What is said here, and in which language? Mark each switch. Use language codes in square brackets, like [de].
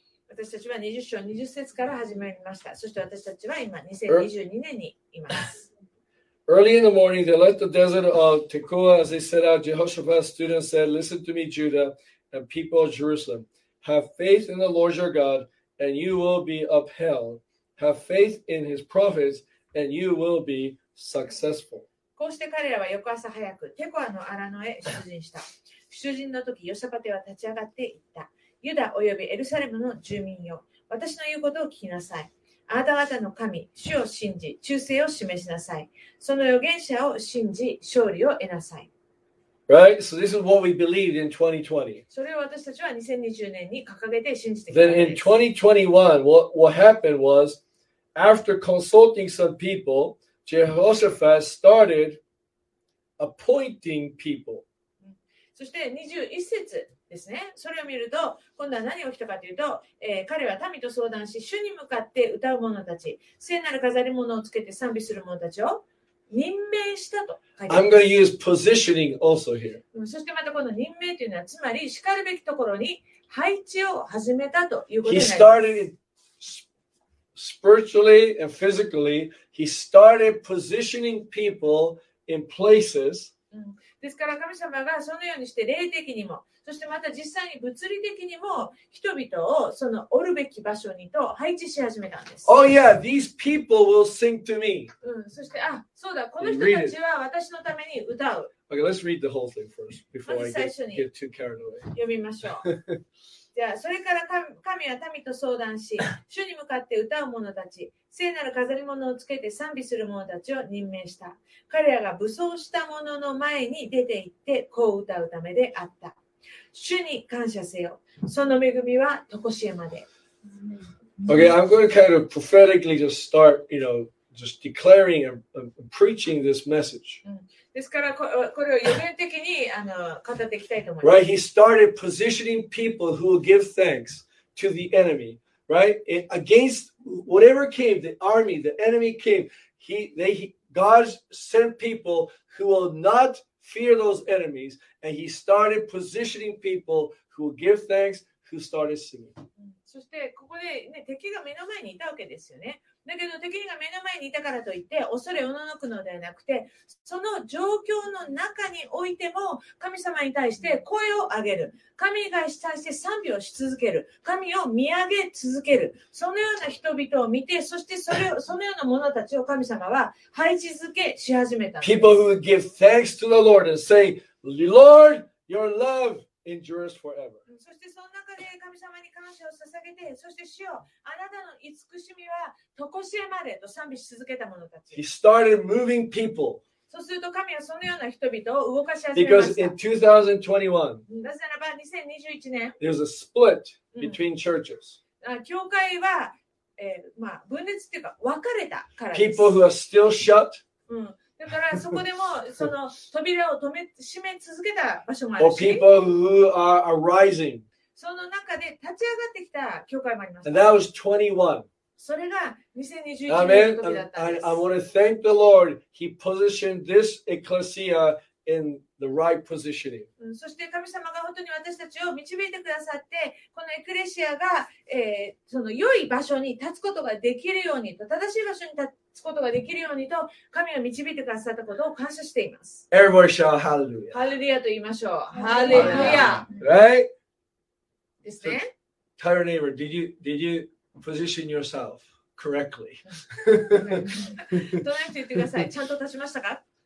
[ja] 私たちは20章20節から始まりました。そして私たちは今2022年にいます。 [en] Early in the morning, they left the desert of Tekoa as they set out. Jehoshaphat's students said, "Listen to me, Judah and people of Jerusalem. Have faith in the Lord your God, and you will be upheld. Have faith in his prophets, and you will be successful." [ja] こうして彼らは翌朝早くテコアの荒野へ出陣した。出陣の時、ヨシャパテは立ち上がっていった。ユダおよびエルサレムの住民よ、私の言うことを聞きなさい。あなた方の神、主を信じ、忠誠を示しなさい。その預言者を信じ、勝利を得なさい。 [en] Right? So this is what we believed in 2020. [ja] それを私たちは2020年に掲げて信じてきた。 [en] Then in 2021, what happened was, after consulting some people, Jehoshaphat started appointing people. [ja] そして21節。ですね、それを見ると今度は何が起きたかというと、彼は民と相談し主に向かって歌う者たち聖なる飾り物をつけて賛美する者たちを任命したと書いてあります [en] 。 I'm going to use positioning also here. [ja] そしてまたこの任命というのはつまり叱るべきところに配置を始めたということになります。 [en] He started spiritually and physically he started positioning people in places、 [ja] ですから神様がそのようにして霊的にもそしてまた実際に物理的にも人々をそのおるべき場所にと配置し始めたんです。 [en] Oh yeah, these people will sing to me. [ja] そして、あ、そうだ、この人たちは私のために歌う。 [en] Okay, let's read the whole thing first before I get too carried away. [ja] 読みましょう。じゃあ、それから神は民と相談し、主に向かって歌う者たち、聖なる飾り物をつけて賛美する者たちを任命した。彼らが武装した者の前に出て行ってこう歌うためであった。主に感謝せよ。その恵みはとこしえまで。 [en] Okay, I'm going to kind of prophetically just start, you know, just declaring and preaching this message. [ja] ですからこれを予言的に語っていきたいと思います。 [en] Right, he started positioning people who will give thanks to the enemy, right? Against whatever came, the army, the enemy came, God sent people who will not fear those enemies, and he started positioning people who will give thanks, who started singing. [ja] そしてここで、ね、敵が目の前にいたわけですよね。だけど敵が目の前にいたからといって恐れおののくのではなくて、その状況の中においても神様に対して声を上げる、神に対して賛美をし続ける、神を見上げ続ける、そのような人々を見て、そしてそのような者たちを神様は配置づけし始めた。 [en] People who give thanks to the Lord and say, Lord, your love endures forever. [ja] そしてその中で神様に感謝を捧げて、そして主よ、あなたの慈しみは常しえまでと賛美し続けた者たち。 [en] He started moving people. [ja] そうすると神はそのような人々を動かし始め [en] た。Because in 2021, [ja] なぜならば2021年、 [en] there's a split between churches. [ja] 教会は、まあ、分裂っていうか分かれたからです。 [en] People who are still shut. [ja] だからそこでもその扉を閉め続けた場所もある [en] し、 people who are arising. [ja] その中で立ち上がってきた教会もあります。 [en] And that was 21. [ja] それが2021年の時だったんです。 [en] I want to thank the Lord. He positioned this ecclesia in the right positioning. [ja] そして神様が本当に私たちを導いてくださって、このエクレシアが、その良い場所に立つことができるようにと、正しい場所に立つことができるようにと神が導いてくださったことを感謝しています。 [en] Everybody shout hallelujah. [ja] Hallelujah と言いましょう。Hallelujah. [en] Right? [ja] ですね。 [en] Tell your neighbor, did you position yourself correctly? [ja] どないと言ってください。ちゃんと立ちましたか？